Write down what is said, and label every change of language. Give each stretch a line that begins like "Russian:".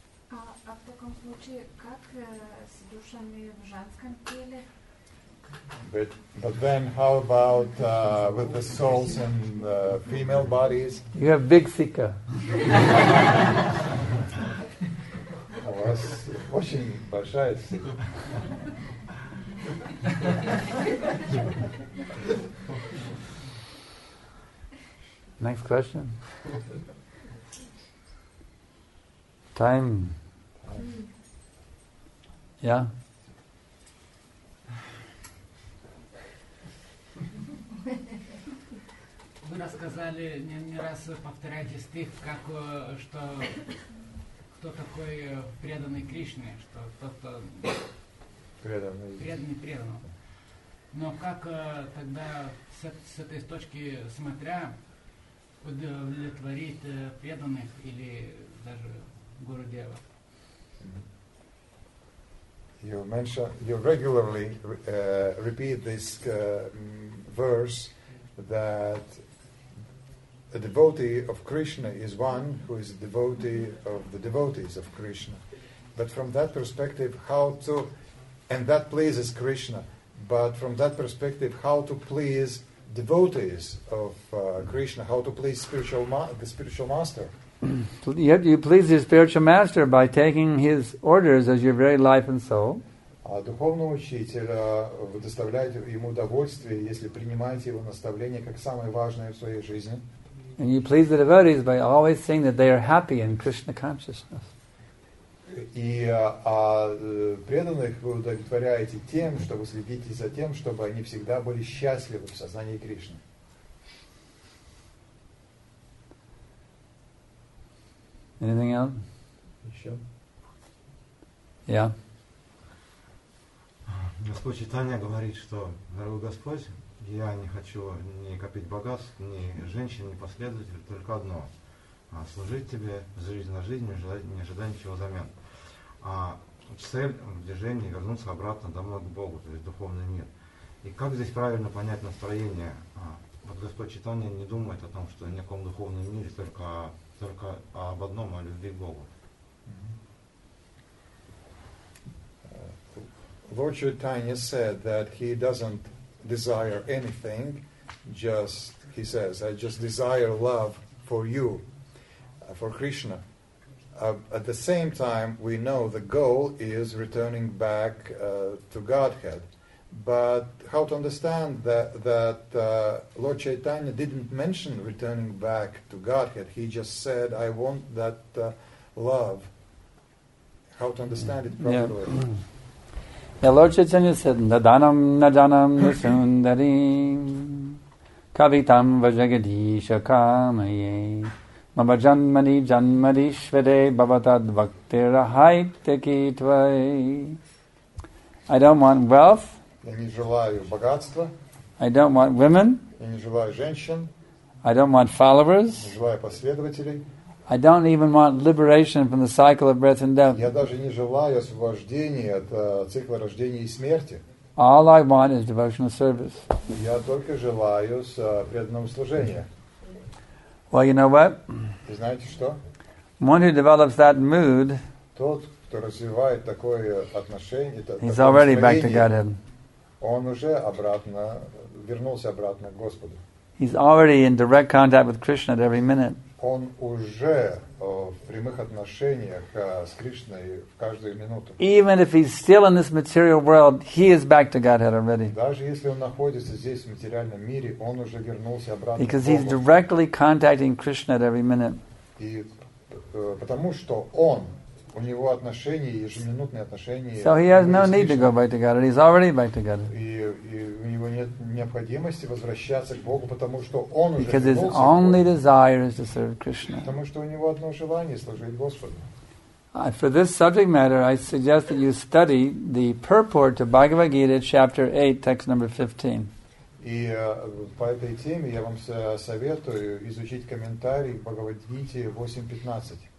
Russian: А в таком случае как с душами в женском теле?
English: But then how about with the souls in the female bodies? You have big sikha.
Russian: У вас очень большая сикха.
English: Next question. Time. Yeah.
Russian: Вы рассказали не раз повторяете стих, как что кто такой преданный Кришне, что тот. Преданный. Но как тогда с этой точки смотря удовлетворить преданных или даже Гуру Дева?
English: You mentioned, you regularly repeat this verse that a devotee of Krishna is one who is a devotee of the devotees of Krishna. But from that perspective, how to And that pleases Krishna. But from that perspective, how to please devotees of Krishna? How to please the spiritual master? You please your spiritual master by taking his orders as your very life and soul.
Russian: Духовному учителю вы доставляете ему удовольствие, если принимаете его наставление как самое важное в своей жизни.
English: And you please the devotees by always saying that they are happy in Krishna consciousness.
Russian: И преданных вы удовлетворяете тем, что вы следите за тем, чтобы они всегда были счастливы в сознании Кришны.
English: Anything else?
Russian: Еще?
English: Yeah.
Russian: Господь Чайтанья говорит, что дорогой Господь Я не хочу ни копить богатств, ни женщин, ни последователей, только одно. Служить тебе жизнь на жизнь, не ожидая ничего взамен. А цель в движении — вернуться обратно домой к Богу, то есть в духовный мир. И как здесь правильно понять настроение? Вот Господь Читания не думает о том, что о неком духовном мире, только об одном, о любви к Богу.
English: Lord Chaitanya said that he doesn't desire anything, just, he says, I just desire love for you, for Krishna. At the same time, we know the goal is returning back to Godhead. But how to understand that Lord Chaitanya didn't mention returning back to Godhead, he just said, I want that love. How to understand it properly? Yeah. Yeah, Lord Chaitanya said,
Sanskrit: Nadanam Nadanam Nasundarim Kavitam Vajagadisha Kamaye Mabajanmani Janmadishvade Bhavatad Vaktira Haite Kitvai.
English: I don't want wealth.
Russian: Я не желаю богатства.
English: I don't want women.
Russian: Я не желаю женщин.
English: I don't want followers.
Russian: Не желаю последователей.
English: I don't even want liberation from the cycle of birth and death.
Russian: Я даже не желаю освобождения от цикла рождения и смерти.
English: All I want is devotional service.
Russian: Я только желаю преданного служения.
English: Well, you know what?
Russian: Вы знаете что?
English: One who develops that mood,
Russian: тот, кто развивает такое отношение,
English: he's already back to Godhead.
Russian: Он уже обратно вернулся обратно к Господу.
English: He's already in direct contact with Krishna at every minute.
Russian: Он уже в прямых отношениях с Кришной в каждую минуту.
English: Even if he's still in this material world, he is back to Godhead already.
Russian: Даже если он находится здесь в материальном мире, он уже вернулся обратно.
English: Because he's directly contacting Krishna at every minute.
Russian: И потому что он, у него отношения, ежеминутные отношения.
English: So he has no need to go back to Godhead. He's already back to Godhead.
Russian: И у него нет необходимости возвращаться к Богу, потому что он уже.
English: Because his only desire is to serve Krishna.
Russian: Потому что у него одно желание — служить Господу.
English: For this subject matter, I suggest that you study the purport to Bhagavad Gita, chapter 8, text number 15.
Russian: И по этой теме я вам советую изучить комментарий к Бхагавад Гите 8:15.